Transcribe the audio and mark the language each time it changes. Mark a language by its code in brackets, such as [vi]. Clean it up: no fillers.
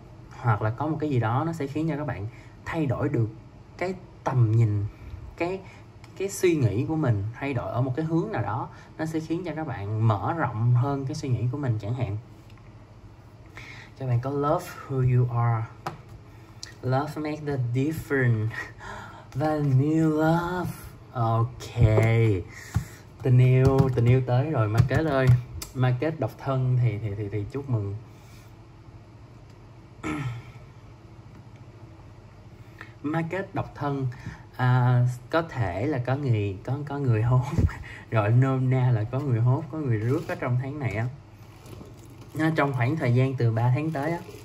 [vi] Hoặc là có một cái gì đó nó sẽ khiến cho các bạn thay đổi được cái tầm nhìn, cái suy nghĩ của mình, thay đổi ở một cái hướng nào đó, nó sẽ khiến cho các bạn mở rộng hơn cái suy nghĩ của mình chẳng hạn. Các bạn có [en] love who you are. Love make the difference. Vanilla love. Ok. [vi] Tình yêu tới rồi mà kết ơi, mà kết độc thân thì chúc mừng. Mà kết độc thân có thể là có người hốt gọi nôm na là có người hốt, có người rước ở trong tháng này á, trong khoảng thời gian từ 3 tháng tới á.